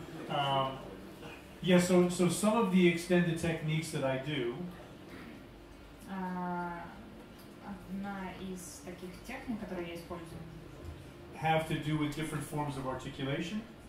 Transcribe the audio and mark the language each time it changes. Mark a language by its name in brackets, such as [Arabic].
[English] Yeah, so some of the extended techniques that I do. [Russian] Одна из таких техник, которые я использую. [English] Have to do with different forms of articulation.